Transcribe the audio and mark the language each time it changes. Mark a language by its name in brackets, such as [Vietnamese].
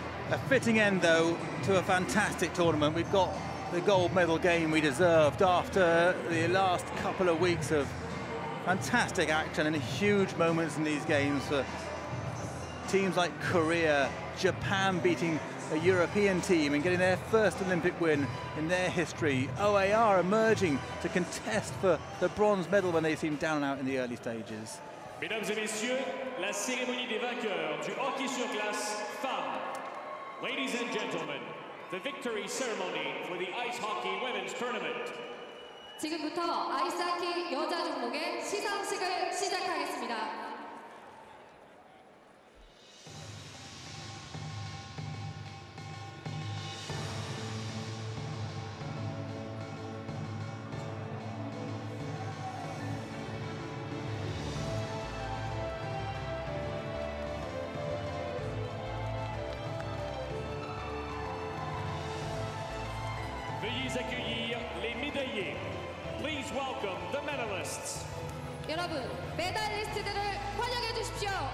[English] A fitting end, though, to a fantastic tournament. We've got the gold medal game we deserved after the last couple of weeks of fantastic action and huge moments in these games for teams like Korea, Japan beating a European team and getting their first Olympic win in their history. OAR emerging to contest for the bronze medal when they seem down and out in the early stages. [French] Mesdames et messieurs, la cérémonie des vainqueurs du hockey sur glace femmes. [English] Ladies and gentlemen, the victory ceremony for the ice hockey women's tournament. [Korean] 지금부터 아이스 하키 여자 종목의 시상식을 시작하겠습니다. [French] accueillir les médaillés. [English] Please welcome the medalists. [Korean] 여러분, 메달리스트들을 환영해 주십시오.